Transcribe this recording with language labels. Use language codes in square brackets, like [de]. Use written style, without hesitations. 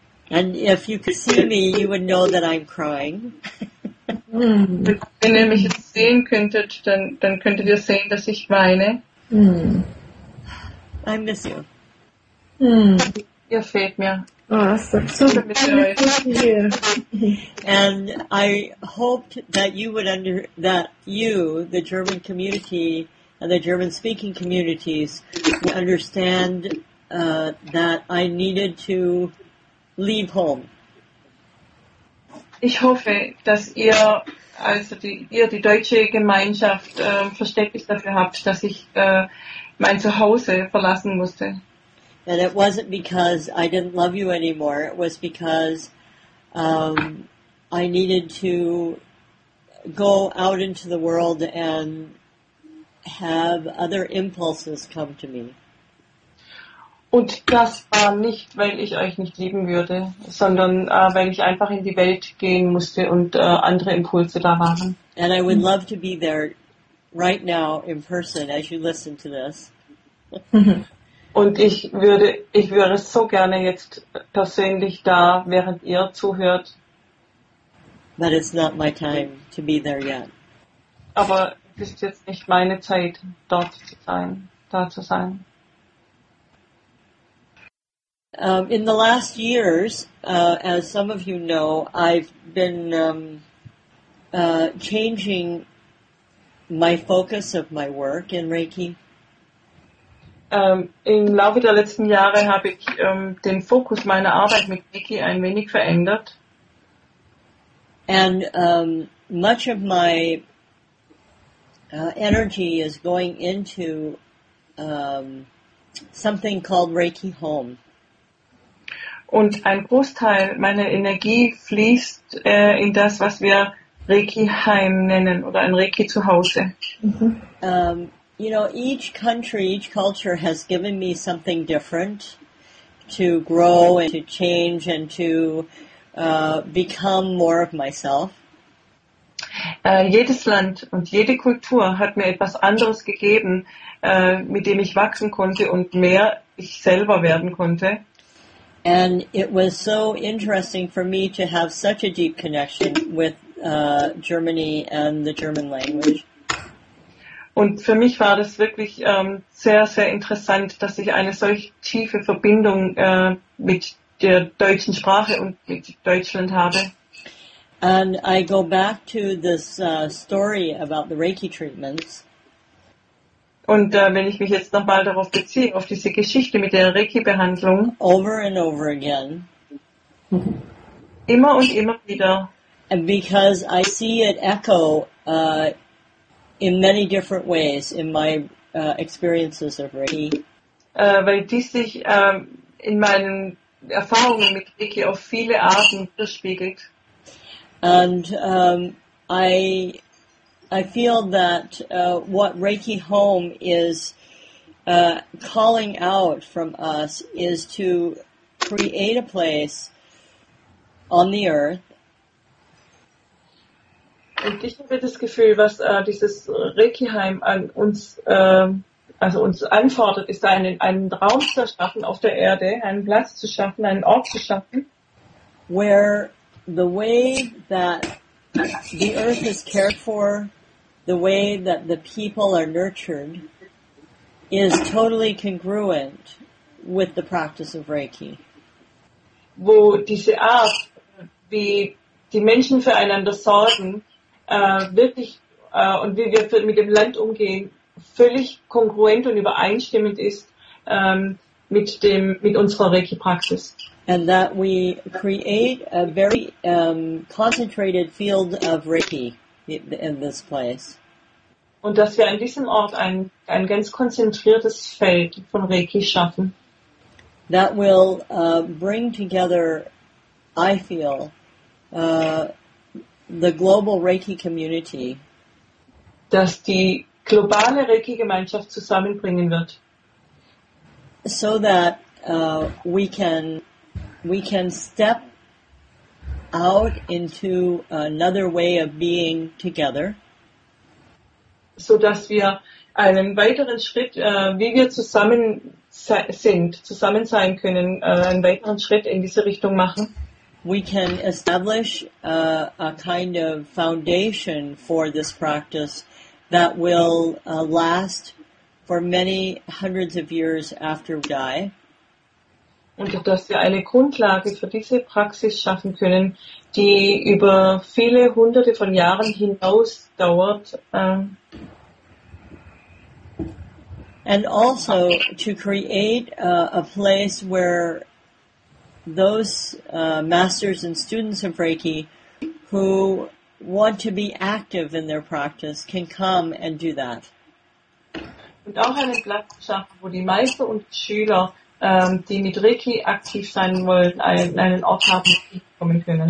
[en] And if you could see me, you would know that I'm crying. [de] Wenn ihr mich jetzt sehen könntet, dann könntet ihr sehen, dass ich weine. [en] I miss you. [de] Ihr fehlt mir. [en] And I hoped that you would the German community and the German speaking communities would understand that I needed to leave home. [de] Ich hoffe, dass ihr also die deutsche Gemeinschaft Verständnis dafür habt, dass ich mein Zuhause verlassen musste. [en] That it wasn't because I didn't love you anymore. It was because I needed to go out into the world and have other impulses come to me. [de] Und das war nicht, weil ich euch nicht lieben würde, sondern weil ich einfach in die Welt gehen musste und andere Impulse da waren. [en] And I would love to be there right now in person as you listen to this. [de] Und ich wäre so gerne jetzt persönlich da, während ihr zuhört. [en] But it's not my time to be there yet. [de] Aber es ist jetzt nicht meine Zeit, dort zu sein, da zu sein. [en] In the last years, as some of you know, I've been changing my focus of my work in Reiki. [de] Im Laufe der letzten Jahre habe ich den Fokus meiner Arbeit mit Reiki ein wenig verändert. [en] And much of my energy is going into something called Reiki Home. [de] Und ein Großteil meiner Energie fließt in das, was wir Reiki-Heim nennen oder ein Reiki-Zuhause. Mm-hmm. [en] You know, each country, each culture has given me something different to grow and to change and to become more of myself. [de] Jedes Land und jede Kultur hat mir etwas anderes gegeben, mit dem ich wachsen konnte und mehr ich selber werden konnte. [en] And it was so interesting for me to have such a deep connection with Germany and the German language. [de] Und für mich war das wirklich sehr, sehr interessant, dass ich eine solch tiefe Verbindung mit der deutschen Sprache und mit Deutschland habe. [en] And I go back to this story about the Reiki treatments. [de] Und wenn ich mich jetzt nochmal darauf beziehe, auf diese Geschichte mit der Reiki-Behandlung. [en] Over and over again. [de] Immer und immer wieder. [en] And because I see it echo in many different ways in my experiences of Reiki. [de] Weil dies sich in meinen Erfahrungen mit Reiki auf viele Arten widerspiegelt. [en] And I feel that what Reiki Home is calling out from us is to create a place on the earth. [de] Und ich habe das Gefühl, was dieses Reiki Heim an uns also uns anfordert, ist einen Raum zu schaffen auf der Erde, einen Platz zu schaffen, einen Ort zu schaffen, [en] where the way that the earth is cared for, the way that the people are nurtured, is totally congruent with the practice of Reiki. [de] Wo diese Art, wie die Menschen füreinander sorgen, wirklich und wie wir mit dem Land umgehen, völlig kongruent und übereinstimmend ist mit unserer Reiki-Praxis. [en] And that we create a very concentrated field of Reiki in this place. [de] Und dass wir an diesem Ort ein ganz konzentriertes Feld von Reiki schaffen. [en] That will bring together, I feel, the global Reiki community. [de] Dass die globale Reiki-Gemeinschaft zusammenbringen wird. [en] So that we can step out into another way of being together. [de] So dass wir einen weiteren Schritt, wie wir zusammen sind, zusammen sein können, einen weiteren Schritt in diese Richtung machen. [en] We can establish a kind of foundation for this practice that will last for many hundreds of years after we die. [de] Und dass wir eine Grundlage für diese Praxis schaffen können, die über viele hunderte von Jahren hinaus dauert. [en] And also to create a place where those masters and students of Reiki who want to be active in their practice can come and do that. [de] Und auch einen Platz schaffen, wo die Meister und Schüler, die mit Reiki aktiv sein wollen, einen Ort haben, wo sie kommen können.